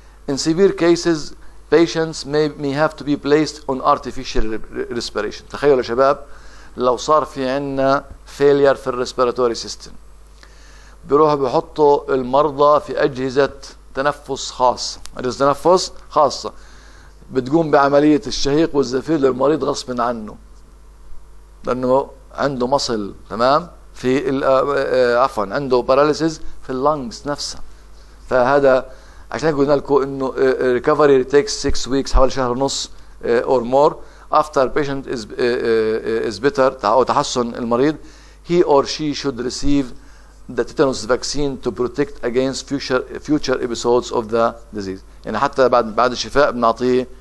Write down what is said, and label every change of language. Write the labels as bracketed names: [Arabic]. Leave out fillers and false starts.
[English] In severe cases, patients may have to be placed on artificial respiration. [Arabic] تخيلوا شباب لو صار في عنا failure في respiratory system، بيروحوا بيحطوا المرضى في أجهزة تنفس خاصة، أجهزة تنفس خاصة بتقوم بعملية الشهيق والزفير للمريض غصب عنه لأنه عنده مصل، تمام، في عنده paralysis في اللنجز نفسها. فهذا عشان قلنا لكم انه [English] recovery takes 6 weeks، [Arabic] حوالي شهر ونص [English] or more after patient is better، [Arabic] أو تحسن المريض، [English] he or she should receive the tetanus vaccine to protect against future episodes of the disease. [Arabic] يعني حتى بعد الشفاء بنعطيه